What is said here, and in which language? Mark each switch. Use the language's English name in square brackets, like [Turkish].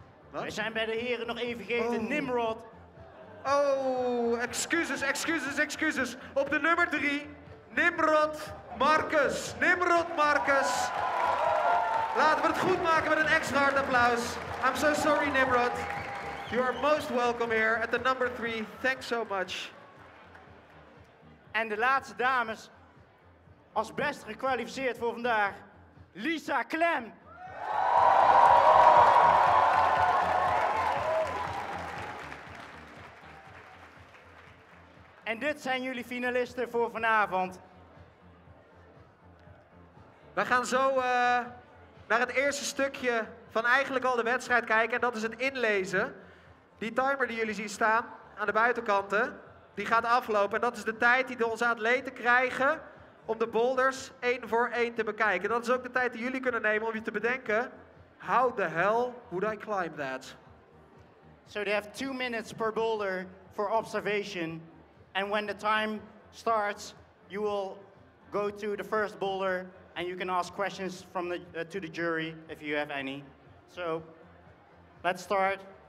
[Dutch] We zijn bij de heren nog even vergeten, oh. Nimrod. Oh, excuses. Op de nummer 3, Nimrod Marcus. Nimrod Marcus. Laten we het goed maken met een extra hard applaus. [English] I'm so sorry, Nimrod. You are most welcome here at the number 3. Thanks so much. [Dutch] En de laatste dames, als best gekwalificeerd voor vandaag, Lisa Klem. En dit zijn jullie finalisten voor vanavond. We gaan zo naar het eerste stukje van eigenlijk al de wedstrijd kijken. En dat is het inlezen. Die timer die jullie zien staan aan de buitenkanten, die gaat aflopen. En dat is de tijd die onze atleten krijgen om de boulders één voor één te bekijken. En dat is ook de tijd die jullie kunnen nemen om je te bedenken. [English] How the hell would I climb that? So they have 2 minutes per boulder for observation. And when the time starts, you will go to the first boulder and you can ask questions from the to the jury if you have any. So let's start.